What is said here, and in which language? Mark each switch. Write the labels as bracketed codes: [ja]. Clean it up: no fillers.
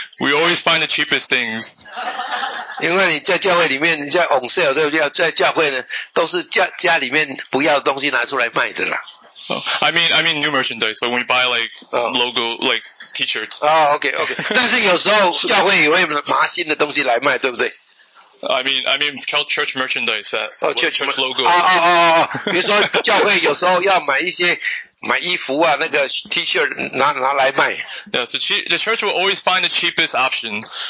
[en] We always find the cheapest things. [zh] 因为你在教会里面,你在 [en] on sale, [zh] 对不对?在教会呢,都是家里面不要的东西拿出来卖的啦。 [en] I mean new merchandise, but when we buy like logo, like t-shirts. Oh, okay. [zh] 但是有时候教会也会拿新的东西来卖，对不对？ [en] I mean church merchandise, that church logo. [zh] 比如说教会有时候要买一些买衣服啊，那个 t-shirt 拿来卖。 [en] Yeah, so the church will always find the cheapest option.